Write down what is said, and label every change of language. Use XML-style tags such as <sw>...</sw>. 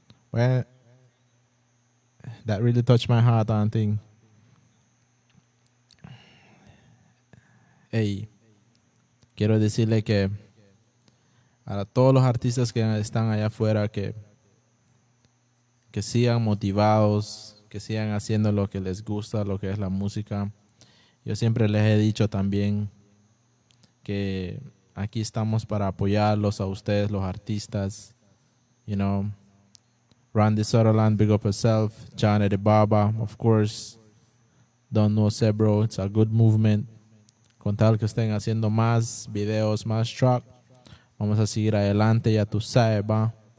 <en>Well, that really touched my heart, and thing.</en> <es>Hey, quiero decirle que a todos los artistas que están allá afuera, que sigan motivados, que sigan haciendo lo que les gusta, lo que es la música. Yo siempre les he dicho también que aquí estamos para apoyarlos a ustedes, los artistas.</es> <en>You know, Randy Sutherland, Big Up Yourself, Johnny De Baba, of course, Don No Sebro, it's a good movement.</en> <es>Con tal que estén haciendo más videos, más tracks, vamos a seguir adelante, ya tú sabes, va.</es>